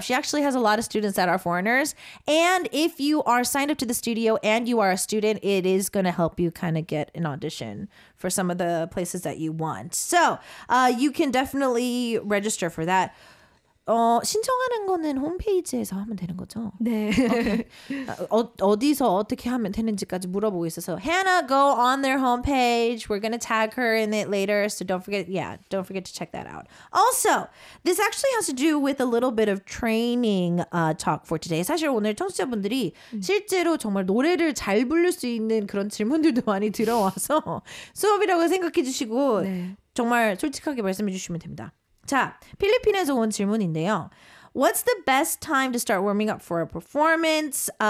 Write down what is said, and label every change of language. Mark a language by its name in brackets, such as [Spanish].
[English] She actually has a lot of students that are foreigners. And if you are signed up to the studio and you are a student, it is going to help you kind of get an audition for some of the places that you want. So you can definitely register for that. [Korean] 신청하는 거는 홈페이지에서 하면 되는 거죠? 네. Okay. 어디서 어떻게 하면 되는지까지 물어보고 있어서 [English] Hannah, go on their homepage. We're going to tag her in it later. So don't forget to check that out. Also, this actually has to do with a little bit of training talk for today. [Korean] 사실 오늘 청취자분들이 실제로 정말 노래를 잘 부를 수 있는 그런 질문들도 많이 들어와서 수업이라고 생각해 주시고 네. 정말 솔직하게 말씀해 주시면 됩니다. 자, 필리핀에서 온 질문인데요. [English] What's the best time to start warming up for a performance?